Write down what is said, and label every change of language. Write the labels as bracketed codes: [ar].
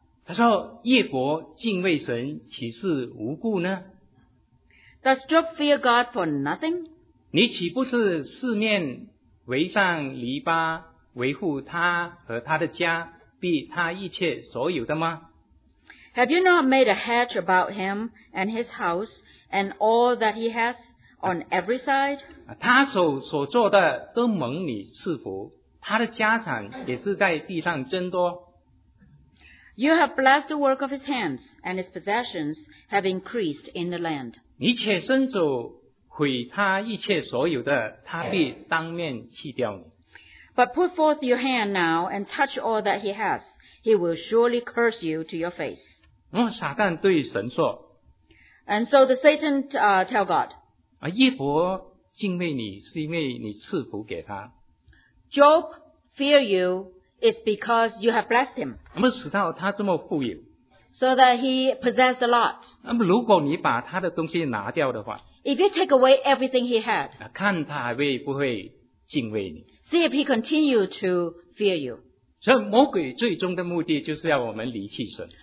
[zh] 他说叶伯敬畏神岂是无故呢 [en] ?Does Job fear God for nothing? [zh] 你岂不是四面围上篱笆维护他和他的家必他一切所有的吗 [en] ?Have you not made a hedge about him and his house and all that he has? On every side, [zh] 他所做的都蒙你赐福，他的家产也是在地上增多。 [en] You have blessed the work of his hands, and his possessions have increased in the land. [zh] 你且伸手毁他一切所有的，他必当面弃掉你。 [en] But put forth your hand now and touch all that he has; he will surely curse you to your face. [zh] 然后撒旦对神说。 [en] And so the Satan tell God. [zh] 叶伯敬畏你是因为你赐福给他。 [en] Job fear you is because you have blessed him. [zh] 那么使到他这么富有。 [en] So that he possessed a lot. [zh] 那么如果你把他的东西拿掉的话。 [en] If you take away everything he had. [zh] 看他还会不会敬畏你。 [en] See if he continue to fear you. [zh] 所以魔鬼最终的目的就是要我们离弃神。